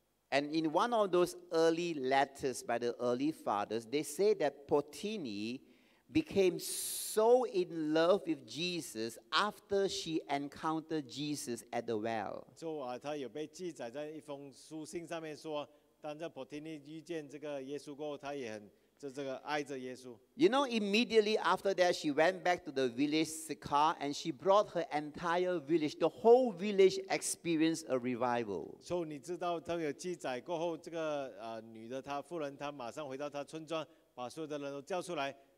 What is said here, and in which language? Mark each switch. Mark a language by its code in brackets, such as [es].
[en] And in one of those early letters by the early fathers, they say that Potini became so in love with Jesus after she encountered Jesus at the well. So, [zh] 她有被记载在一封书信上面说，当这波提尼遇见这个耶稣过后，她也很爱着耶稣。 [en] You know, immediately after that, she went back to the village Sychar and she brought her entire village, the whole village experienced a revival. So, [zh] 你知道她有记载过后，这个女的，她妇人，她马上回到她村庄，把所有的人都叫出来。